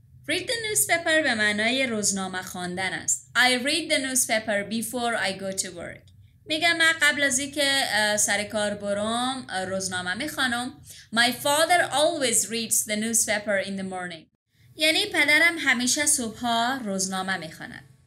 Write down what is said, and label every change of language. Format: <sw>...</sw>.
<en>Read the newspaper</en> <fa>به معنای روزنامه خواندن است.</fa> <en>I read the newspaper before I go to work.</en> <fa>میگه من قبل از اینکه سر کار برم روزنامه می خوانم.</fa> <en>My father always reads the newspaper in the morning.</en> <fa>یعنی پدرم همیشه صبحا روزنامه می خواند.</fa>